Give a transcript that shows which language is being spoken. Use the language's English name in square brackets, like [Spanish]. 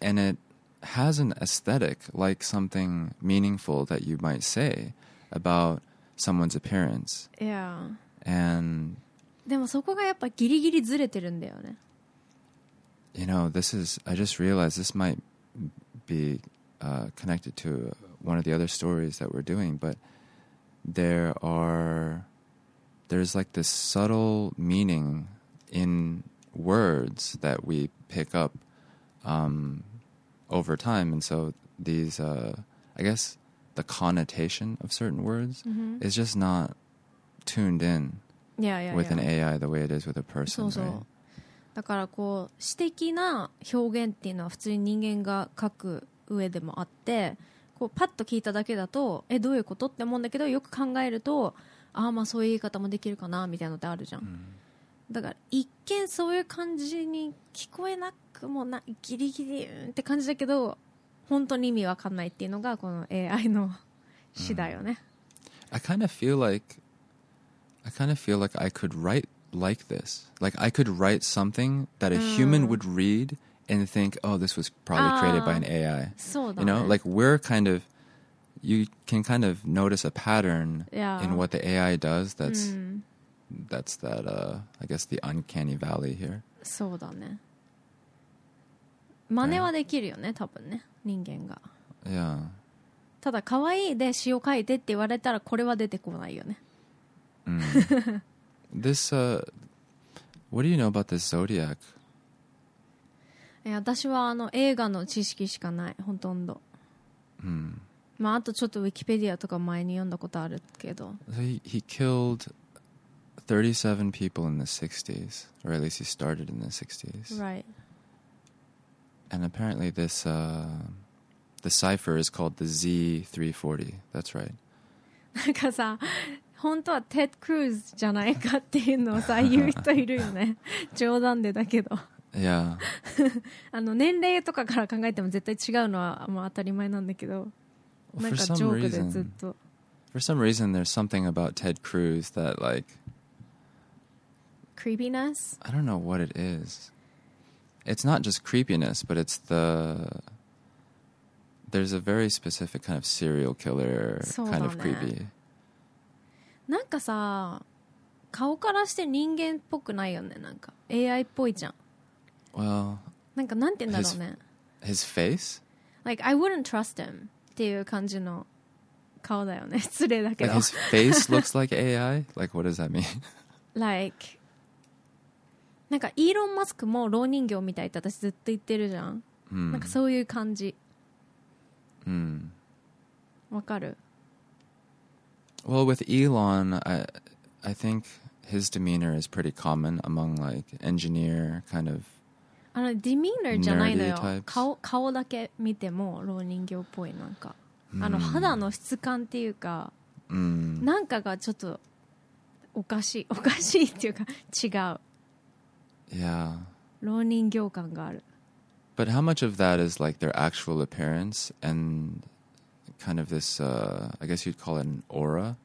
[English] And it has an aesthetic like something meaningful that you might say about someone's appearance. Yeah. And [Japanese] でもそこがやっぱギリギリずれてるんだよね。 [English] You know, this is I just realized this might be connected to one of the other stories that we're doing, but there are there's like this subtle meaning in words that we pick up over time. And so these, I guess the connotation of certain words mm-hmm. is just not tuned in with an AI the way it is with a person. So, right? So. [Japanese] だからこう詩的な表現っていうのは普通に人間が書く上でもあって、こうパッと聞いただけだとえどういうことって思うんだけど、よく考えるとああまあそういう言い方もできるかなみたいなのってあるじゃん、うん、だから一見そういう感じに聞こえなくもない、ギリギリって感じだけど本当に意味わかんないっていうのがこの AI の詩だよね、 [English] うん、I kind of feel like I could write like this. Like I could write something that a human would read and think, oh, this was probably created by an AI. [Japanese] そうだね。 [English] You know, like we're kind of, you can kind of notice a pattern in what the AI does that's, that's that, I guess the uncanny valley here. [Japanese] そうだね。真似はできるよね、多分ね、人間が。 [English] Yeah. [Japanese] ただ可愛いで詩を書いてって言われたらこれは出てこないよね。 [English] This, what do you know about this zodiac? I have no knowledge of the movie, almost. Hmm. Well, I've read Wikipedia before, but... So he killed 37 people in the 60s, or at least he started in the 60s. Right. And apparently this, the cipher is called the Z340. That's right. Like, さ... [Japanese] 本当はテッド・クルーズじゃないかっていうのをさ言う人いるよね冗談でだけど、いや、あの年齢とかから考えても絶対違うのはもう当たり前なんだけど、なんかジョークでずっと [English] For some reason there's something about Ted Cruz that like creepiness? I don't know what it is. It's not just creepiness, but it's the there's a very specific kind of serial killer kind of creepy. [Japanese] そうだね、なんかさ顔からして人間っぽくないよね、なんか AI っぽいじゃん。 [English] Well, [Japanese] なんかなんて言うんだろうね、 [English] his face? Like I wouldn't trust him [Japanese] っていう感じの顔だよね、失礼だけど。 [English] Like his face looks like AI? Like what does that mean? [Japanese] Like なんかイーロン・マスクも老人形みたいって私ずっと言ってるじゃん、なんかそういう感じ。わかる。 [English] Well, with Elon, I think his demeanor is pretty common among like engineer kind of [Japanese] demeanor じゃないのよ。顔だけ見ても老人形っぽい、なんか、あの肌の質感っていうか、なんかがちょっとおかしいっていうか違う。 [English] Yeah. [Japanese] 老人形感がある。 [English] But how much of that is like their actual appearance and kind of this, I guess you'd call it an aura.